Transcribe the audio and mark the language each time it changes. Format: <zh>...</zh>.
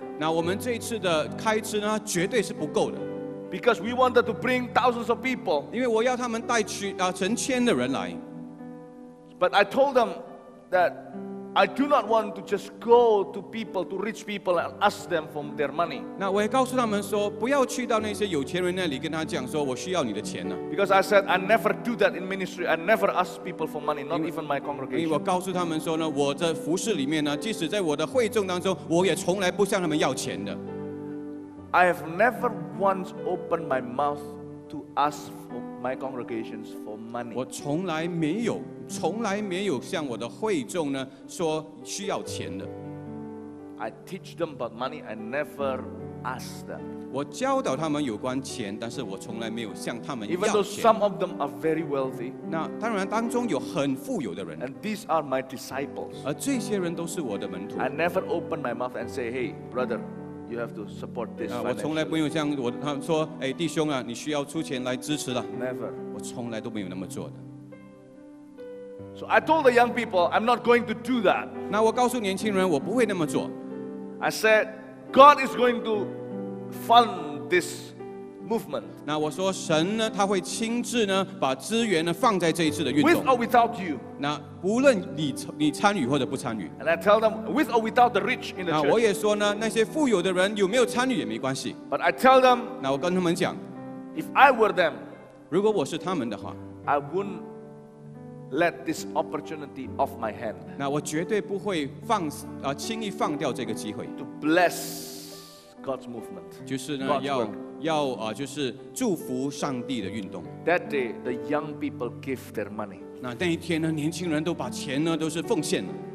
<zh>那我们这次的开支呢，绝对是不够的。</zh> <en>Because we wanted to bring thousands of people.</en> <zh>因为我要他们带成千的人来。</zh> <en>But I told them that I do not want to just go to people, to rich people, and ask them for their money.</en> <zh>那我也告诉他们说，不要去到那些有钱人那里跟他讲说，我需要你的钱呢。</zh> <en>Because I said I never do that in ministry. I never ask people for money, not even my congregation.</en> <zh>因为我告诉他们说呢，我的服事里面呢，即使在我的会众当中，我也从来不向他们要钱的。</zh> <en>I have never once opened my mouth to ask for my congregations for money.</en> <zh>我从来没有。从来没有向我的会众呢说需要钱的。</zh> <en>I teach them about money, I never ask them.</en> <zh>我教导他们有关钱，但是我从来没有向他们要钱。</zh> <en>Even though some of them are very wealthy,</en> <zh>那当然当中有很富有的人。</zh> <en>And these are my disciples.</en> <zh>而这些人都是我的门徒。</zh> <en>I never open my mouth and say, "Hey, brother, you have to support this."</en> <zh>我从来没有向他们说，哎，弟兄啊，你需要出钱来支持了。</zh> <en>Never.</en> <zh>我从来都没有那么做的。</zh> <en>So I told the young people, I'm not going to do that.</en> <zh>那我告诉年轻人，我不会那么做。</zh> <en>I said, God is going to fund this movement.</en> <zh>那我说神呢，他会亲自呢，把资源呢放在这一次的运动。</zh> <en>With or without you.</en> <zh>那无论你参与或者不参与。</zh> <en>And I tell them, with or without the rich in the church.</en> <zh>那我也说呢，那些富有的人有没有参与也没关系。</zh> <en>But I tell them.</en> <zh>那我跟他们讲。</zh> <en>If I were them.</en> <zh>如果我是他们的话。</zh> <en>I wouldn't. Let this opportunity off my hand.</en> <zh>那我绝对不会轻易放掉这个机会。</zh> <en>To bless God's movement.</en> <zh>就是呢，要就是祝福上帝的运动。</zh> <en>That day, the young people give their money.</en> <zh>那一天呢，年轻人都把钱呢都是奉献了。</zh>